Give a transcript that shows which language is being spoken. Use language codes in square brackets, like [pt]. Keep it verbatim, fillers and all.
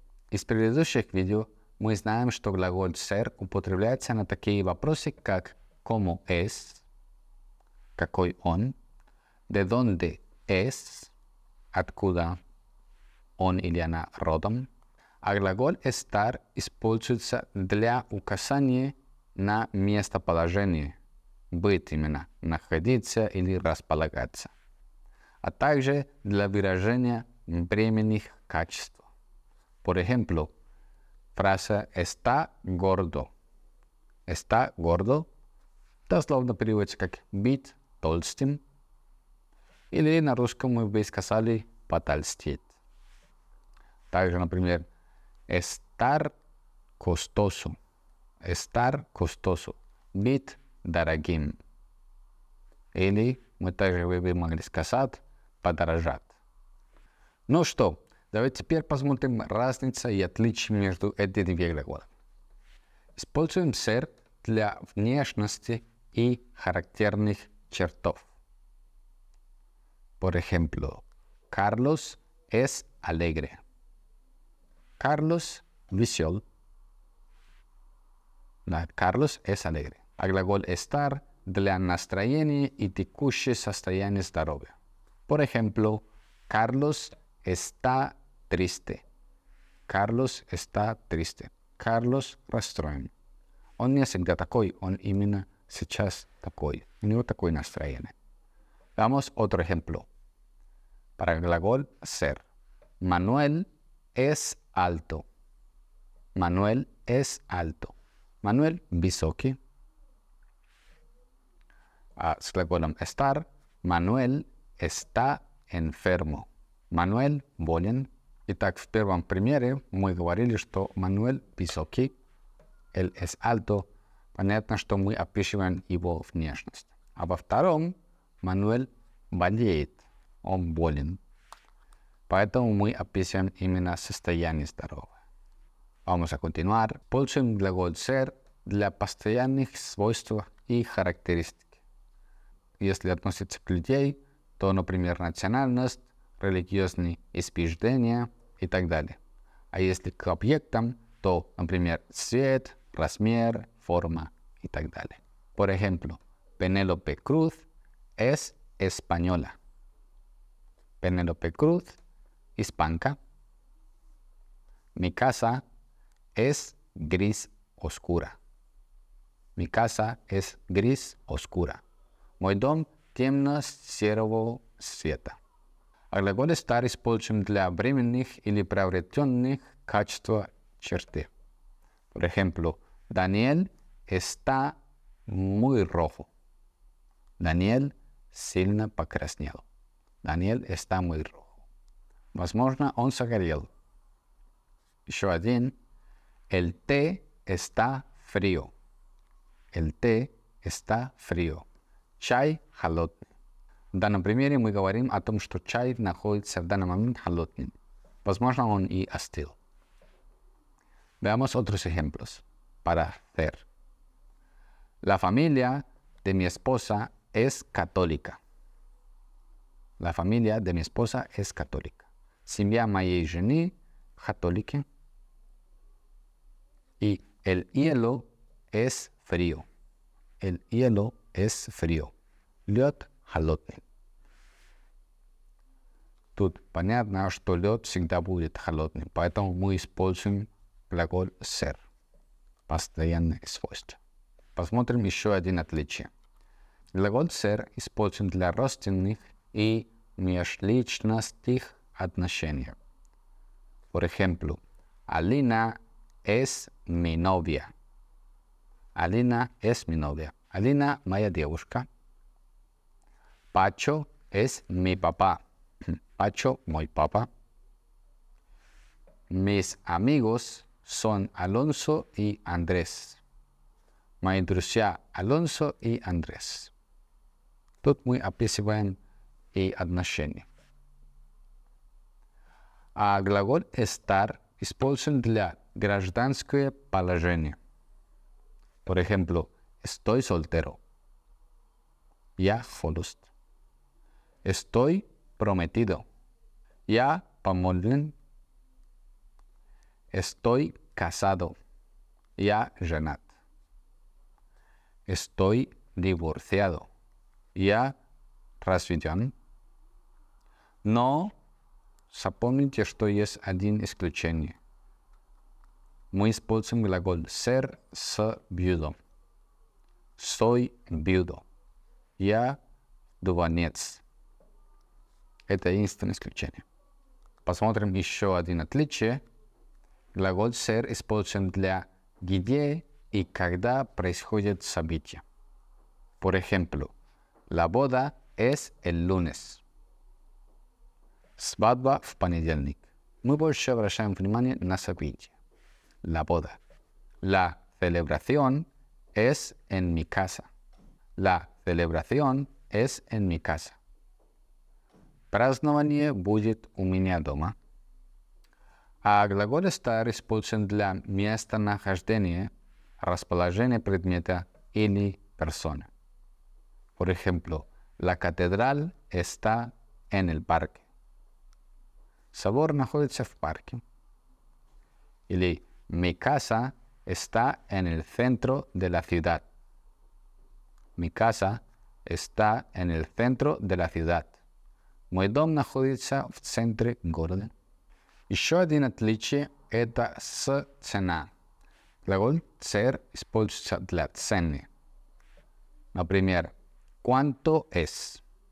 [ru] Из предыдущих видео мы знаем, что глаголь ser употребляется на такие вопросы, как [es] ¿cómo es?, [ru] «какой он?», [es] «de dónde es?», [ru] «откуда он или она родом?». А глаголь estar используется для указания на местоположение, быть именно, находиться или располагаться, а также для выражения временных качеств. [es] Por ejemplo, фраза «está gordo». «Está gordo» [ru] дословно переводится как «быть толстым», или на русском мы бы сказали «потолстеть». Также, например, [es] «estar costoso». «Estar costoso» [ru] – «быть дорогим». Или мы также бы могли сказать «подорожать». Ну что, давайте теперь посмотрим разницу и отличия между этими двумя глаголами. Используем ser для внешности и характерных чертов. [es] Por ejemplo, Carlos es alegre. [ru] Carlos весел. [es] Да, Carlos es alegre. [ru] А глагол estar для настроения и текущее состояние здоровья. [es] Por ejemplo, Carlos está triste. Carlos está triste. [ru] Carlos расстроен. Он не всегда такой, он именно сейчас такой. У него такое настроение. [es] Damos otro ejemplo para el gлагol ser. Manuel es alto. Manuel es alto. [ru] Manuel высокий. А с глаголом estar, Manuel [es] está enfermo. [ru] Manuel болен. Итак, в первом примере мы говорили, что Manuel высокий, [es] él es alto. [ru] Понятно, что мы описываем его внешность. А во втором Manuel болеет, он болен. Поэтому мы описываем именно состояние здоровья. [es] Vamos a continuar. [ru] Используем глагол ser для постоянных свойств и характеристик. Если относится к людей, то, например, национальность, религиозные убеждения и так далее. А если к объектам, то, например, цвет, размер, форма и так далее. [es] Por ejemplo, Penélope Cruz es española. Penélope Cruz, hispanca. Mi casa es gris oscura. Mi casa es gris oscura. [ru] Мой дом темно-серого цвета. А глагол estar используем для временных или приобретенных качеств черты. [es] Por ejemplo, Daniel está muy rojo. [ru] Daniel сильно покраснел. Daniel [es] está muy rojo. [ru] Возможно, он загорел. Еще один. [es] El té está frío. El té está frío. [ru] Чай холодный. В данном примере мы говорим о том, что чай находится в данный момент холодным. Возможно, он и остыл. [es] Veamos otros ejemplos para hacer. La familia de mi esposa es católica. La familia de mi esposa es católica. [ru] Семья моей жены католики. [es] Y el hielo es frío. El hielo es frío. [ru] Лед холодный. Тут понятно, что лед всегда будет холодным, поэтому мы используем глаголь ser, постоянное свойство. Посмотрим еще один отличие. Глаголь «ser» используем для родственных и межличностных отношений. [es] Por ejemplo, Alina es mi novia. Alina es mi novia. [ru] Alina, моя девушка. [es] Pacho es mi papá. [ru] Pacho, мой papá. [es] Mis amigos son Alonso y Andrés. [ru] Мои друзья Алонсо и Андрес. Тут мы описываем и отношения. А глаголь estar используем для гражданское положение. [es] Por ejemplo, estoy soltero. [ru] Я холост. [es] Estoy prometido. [ru] Я помолвлен. [es] Estoy casado. [ru] Я женат. [es] Estoy divorciado. [ru] Я разведен. Но запомните, что есть один исключение. Мы используем глаголь ser с viudo. [es] Soy viudo. [ru] Я вдовец. Это единственное исключение. Посмотрим еще один отличие. Глаголь ser используем для где y когда происходит событие. [es] Por ejemplo, la boda es el lunes. [ru] Свадьба в понедельник. Мы больше обращаем внимание на событие. [es] La boda. La celebración es en mi casa. La celebración es en mi casa. [ru] Празднование будет у меня дома. А глаголь estar используем для местонахождения, расположение предмета или persona. [es] Por ejemplo, la catedral está en el parque. [ru] Собор находится в парке. [es] Или mi casa está en el centro de la ciudad. Mi casa está en el centro de la ciudad. [ru] Мой дом находится в центре города. Еще один отличие – это с цена. Глаголь ser используется для цены. [es] Например, ¿cuánto es?